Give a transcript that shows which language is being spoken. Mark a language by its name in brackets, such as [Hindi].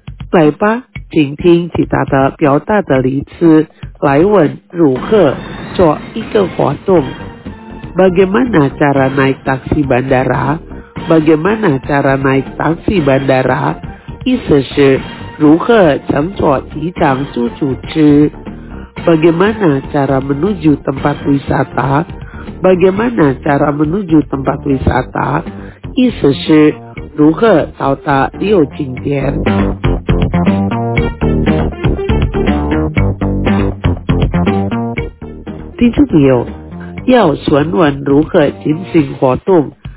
[Chinese] 来吧，请听其他的表达的例子，来问如何做一个活动。 [Indonesian] Bagaimana cara naik taksi bandara? Bagaimana cara naik taksi bandara? [Chinese] 意思是如何乘坐机场出租车。 [Indonesian] Bagaimana cara menuju tempat wisata? Bagaimana cara menuju tempat wisata? [Chinese] 意思是如何到达旅游景点。听众朋友，要询问如何进行活动，